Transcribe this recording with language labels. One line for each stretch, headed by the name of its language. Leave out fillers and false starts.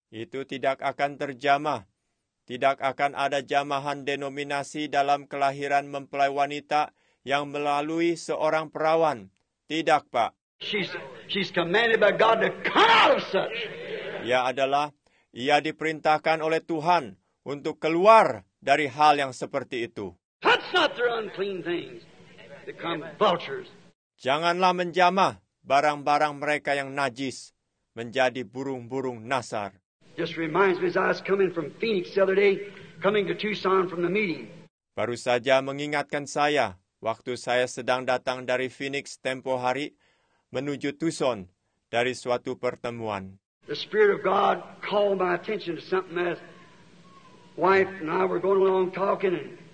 Indonesian: Itu tidak akan terjamah. Tidak akan ada jamahan denominasi dalam kelahiran mempelai wanita yang melalui seorang perawan. Tidak, Pak.
English: She's commanded by God to come out of such.
Indonesian: Ia adalah, ia diperintahkan oleh Tuhan untuk keluar dari hal yang seperti itu.
English: Touch not their unclean things. They become vultures.
Indonesian: Janganlah menjamah barang-barang mereka yang najis menjadi burung-burung nasar.
English: Just reminds me as I was coming from Phoenix the other day, coming to Tucson from the meeting.
Indonesian: Baru saja mengingatkan saya waktu saya sedang datang dari Phoenix tempo hari menuju Tucson dari suatu pertemuan.
English: The Spirit of God called my attention to something as wife and I were going along talking and